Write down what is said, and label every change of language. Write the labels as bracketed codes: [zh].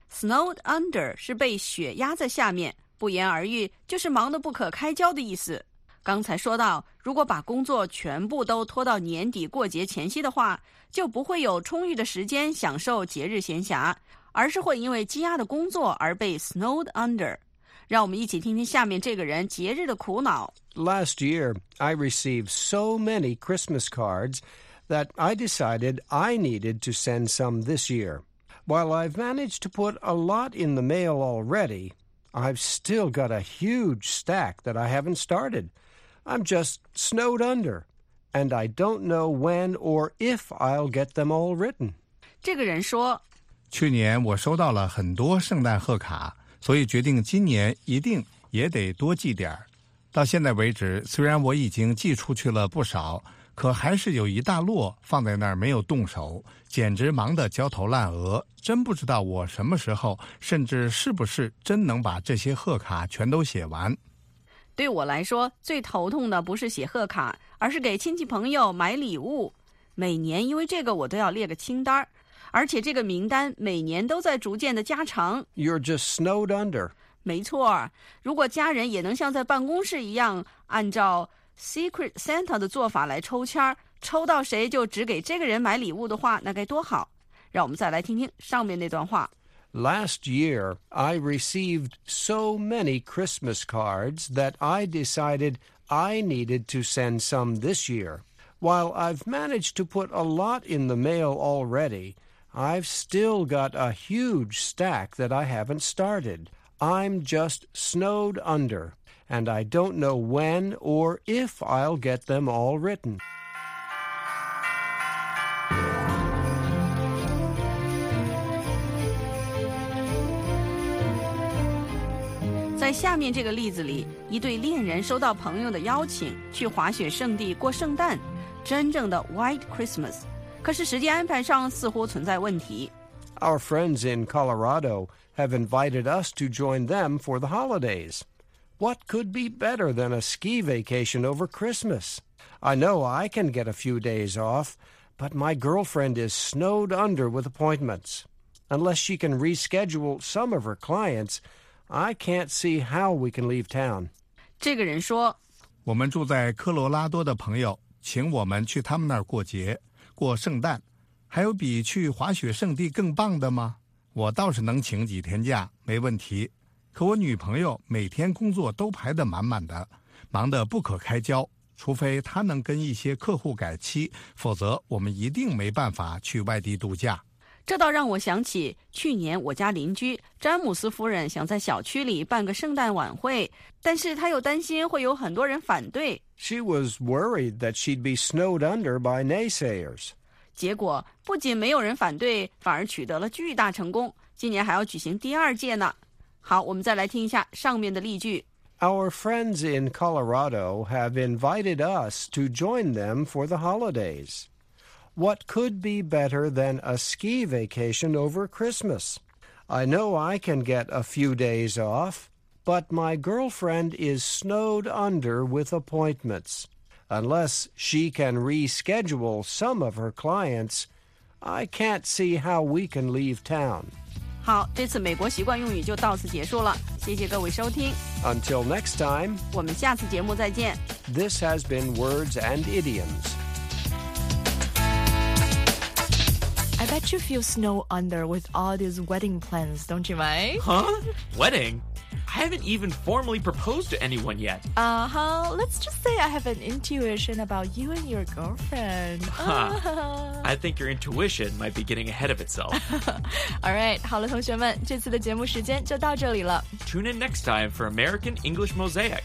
[zh] Snowed under 是被雪压在下面，不言而喻，就是忙得不可开交的意思。刚才说到，如果把工作全部都拖到年底过节前夕的话，就不会有充裕的时间享受节日闲暇，而是会因为积压的工作而被 snowed under。让我们一起听听下面这个人节日的苦恼。 [en] Last year, I received so many Christmas cards that I decided I needed to send some this year. While I've managed to put a lot in the mail already, I've still got a huge stack that I haven't started. I'm just snowed under, and I don't know when or if I'll get them all written. [zh] 这个人说，去年我收到了很多圣诞贺卡，所以决定今年一定也得多寄点。到现在为止，虽然我已经寄出去了不少，可还是有一大摞放在那儿没有动手，简直忙得焦头烂额，真不知道我什么时候，甚至是不是真能把这些贺卡全都写完。对我来说，最头痛的不是写贺卡，而是给亲戚朋友买礼物。每年因为这个我都要列个清单，而且这个名单每年都在逐渐的加长。 [en] You're just snowed under. [zh] 没错，如果家人也能像在办公室一样，按照Secret Santa 的做法来抽签，抽到谁就只给这个人买礼物的话，那该多好。让我们再来听听上面那段话。 [en] Last year, I received so many Christmas cards that I decided I needed to send some this year. While I've managed to put a lot in the mail already, I've still got a huge stack that I haven't started. I'm just snowed under. And I don't know when or if I'll get them all written. [zh] 在下面这个例子里，一对恋人收到朋友的邀请去滑雪圣地过圣诞，真正的 White Christmas， 可是时间安排上似乎存在问题。 [en] Our friends in Colorado have invited us to join them for the holidays. What could be better than a ski vacation over Christmas? I know I can get a few days off, but my girlfriend is snowed under with appointments. Unless she can reschedule some of her clients, I can't see how we can leave town. [zh] 这个人说，我们住在科罗拉多的朋友请我们去他们那儿过节，过圣诞，还有比去滑雪圣地更棒的吗？我倒是能请几天假，没问题。可我女朋友每天工作都排得满满的，忙得不可开交，除非她能跟一些客户改期，否则我们一定没办法去外地度假。这倒让我想起去年我家邻居詹姆斯夫人想在小区里办个圣诞晚会，但是她又担心会有很多人反对。 [en] She was worried that she'd be snowed under by naysayers. [zh] 结果不仅没有人反对，反而取得了巨大成功，今年还要举行第二届呢。好，我们再来听一下上面的例句。 [en] Our friends in Colorado have invited us to join them for the holidays. What could be better than a ski vacation over Christmas? I know I can get a few days off, but my girlfriend is snowed under with appointments. Unless she can reschedule some of her clients, I can't see how we can leave town. [zh] 好，这次美国习惯用语就到此结束了，谢谢各位收听。 [en] Until next time, [zh] 我们下次节目再见。 [en] This has been Words and Idioms. I bet you feel snow under with all these wedding plans, don't you, Mai? Huh? Wedding? I haven't even formally proposed to anyone yet. Uh-huh, let's just say I have an intuition about you and your girlfriend. Huh. I think your intuition might be getting ahead of itself. All right, [zh] 好了同学们，这次的节目时间就到这里了。 [en] Tune in next time for American English Mosaic.